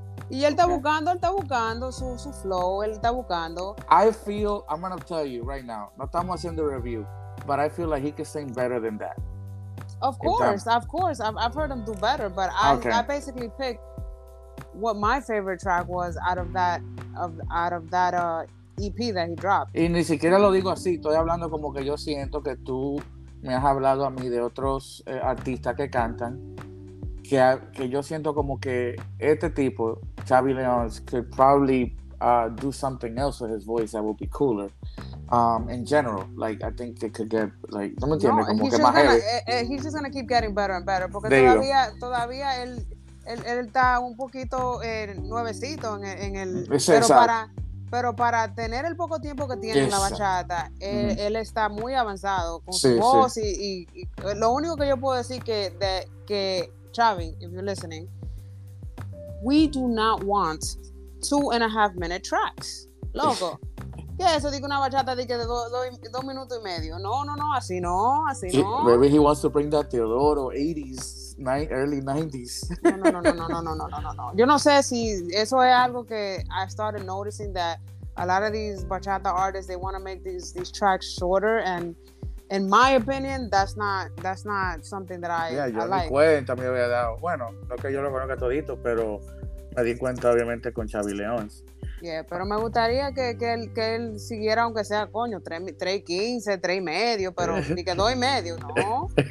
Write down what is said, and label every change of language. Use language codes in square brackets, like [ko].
[es] Y él está buscando, su flow, él está buscando. [en] I'm going to tell you right now, [es] no estamos haciendo review, [en] but I feel like he can sing better than that. Of course. I've heard him do better, but I basically picked what my favorite track was out of that EP that he dropped. [es] Y ni siquiera lo digo así, estoy hablando como que yo siento que tú me has hablado a mí de otros artistas que cantan. Que yo siento como que este tipo, [en] Xavi León, could probably do something else with his voice that would be cooler. In general, like, I think it could get, like, [es] no me entiendes, como que más [en] heavy. He's just gonna keep getting better and better, [es] porque todavía él está un poquito nuevecito en el... Pero para tener el poco tiempo que tiene en la bachata, él está muy avanzado con su voz. Sí. Y lo único que yo puedo decir que Xavi, [en] if you're listening, we do not want 2.5 minute tracks. [es] Loco. ¿Qué es eso? Digo una bachata de 2 minutos y medio. No, así no. [en] Maybe he wants to bring that Teodoro 80s, early 90s. No. [es] Yo no sé si eso es algo que [en] I started noticing, that a lot of these bachata artists, they want to make these tracks shorter, and in my opinion, that's not something that I like. [es] Yeah, yo di cuenta, me había dado. Bueno, no que yo lo conozca todito, pero me di cuenta, obviamente, con Xavi León. Yeah, pero me gustaría que él siguiera, aunque sea, coño, 3:15, 3:30, pero ni que 2:30, ¿no?